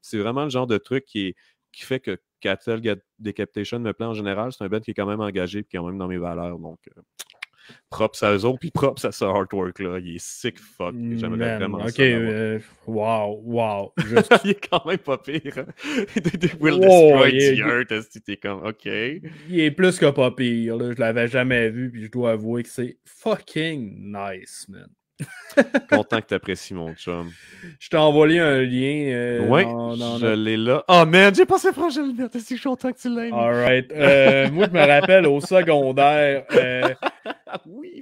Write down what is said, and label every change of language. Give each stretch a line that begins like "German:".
French: C'est vraiment le genre de truc qui fait que Cattle Decapitation me plaît en général. C'est un band qui est quand même engagé et quand même dans mes valeurs, donc. Props à eux autres, puis props à ce artwork-là. Il est
English: sick fuck.
French: J'aimerais vraiment okay, ça. OK, wow. Il est quand même pas pire.
English: They will destroy the earth.
French: T'es comme, OK. Il est plus que pas pire. Là. Je l'avais jamais vu, puis je dois avouer que c'est
English: fucking nice, man.
French: Content que t'apprécies mon chum. Je t'ai envoyé un lien. Oui, je l'ai là. Oh man, j'ai passé proche de l'univers. T'es si content que tu l'aimes.
English: All right.
French: moi, je me rappelle au secondaire. oui.